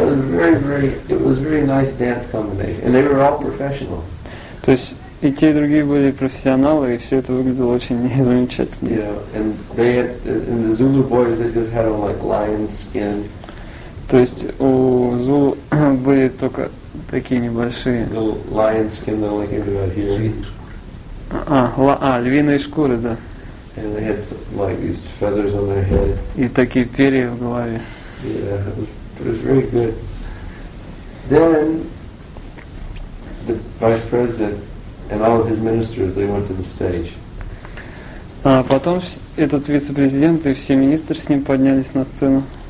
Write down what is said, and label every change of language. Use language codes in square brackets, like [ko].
[en] It was very nice dance combination, and they were all professional. [ru] То есть и те, и другие были профессионалы, и все это выглядело очень замечательно. [en] Yeah, and they had, and the Zulu boys, they just had on like lion skin. [ru] То есть у Зулу были только такие небольшие. [en] The lion skin, the only thing about here. [ru] Львиные шкуры, да. [en] And they had some, like these feathers on their head. [ru] И такие перья в голове. [en] Yeah. It was very good. Then the vice president and all of his ministers, they went to the stage. [ru] А потом этот вице-президент и все министры с ним поднялись на сцену.